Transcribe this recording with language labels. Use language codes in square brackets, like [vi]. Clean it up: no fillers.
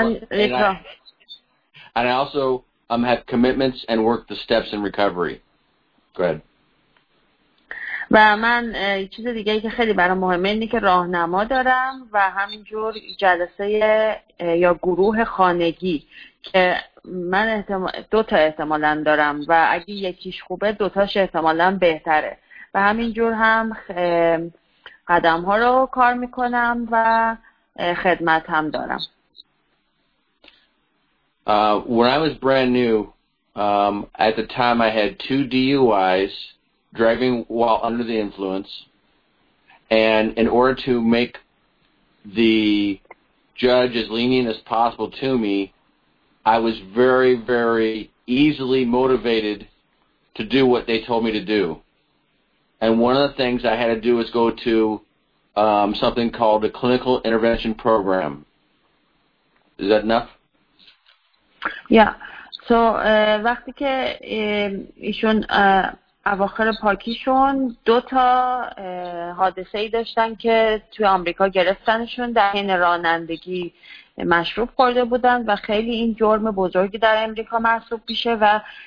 [en] And I also have commitments and work the steps in recovery. Go ahead. [fa] و من چیز دیگه‌ای که خیلی برام مهمه اینه که راهنما دارم و همینجور جلسه یا گروه خانگی که من دو تا احتمالاً دارم و اگه یکیش خوبه دوتاش احتمالاً بهتره و همینجور هم قدم‌ها رو کار می‌کنم و خدمت هم دارم. [en] When I was brand new, at the time I had 2 DUIs, driving while under the influence, and in order to make the judge as lenient as possible to me, I was very, very easily motivated to do what they told me to do. And one of the things I had to do was go to something called a clinical intervention program. Is that enough? Yeah. [fa] So وقتی که ایشون اواخر پاکیشون دو تا حادثه‌ای داشتن که توی آمریکا گرفتنشون، در حین رانندگی مشروب خورده بودن و خیلی این جرم بزرگی در آمریکا محسوب میشه و